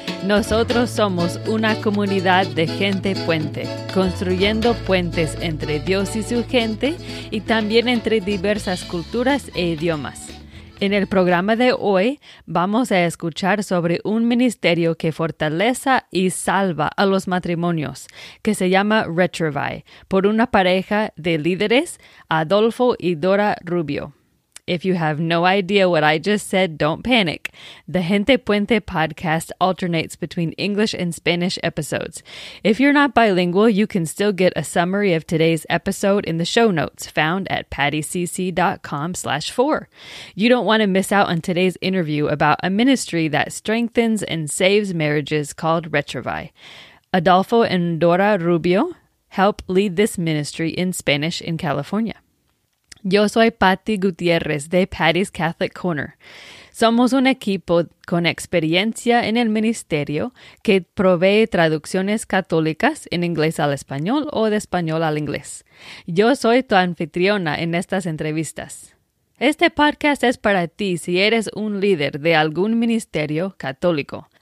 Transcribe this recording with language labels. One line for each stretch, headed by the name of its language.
Spanish: Nosotros somos una comunidad de gente puente, construyendo puentes entre Dios y su gente y también entre diversas culturas e idiomas. En el programa de hoy, vamos a escuchar sobre un ministerio que fortaleza y salva a los matrimonios, que se llama Retrouvaille, por una pareja de líderes, Adolfo y Dora Rubio.
English: If you have no idea what I just said, don't panic. The Gente Puente podcast alternates between English and Spanish episodes. If you're not bilingual, you can still get a summary of today's episode in the show notes found at pattycc.com/4. You don't want to miss out on today's interview about a ministry that strengthens and saves marriages called Retrouvaille. Adolfo and Dora Rubio help lead this ministry in Spanish in California.
Spanish: Yo soy Patty Gutiérrez de Patty's Catholic Corner. Somos un equipo con experiencia en el ministerio que provee traducciones católicas en inglés al español o de español al inglés. Yo soy tu anfitriona en estas entrevistas. Este podcast es para ti si eres un líder de algún ministerio católico.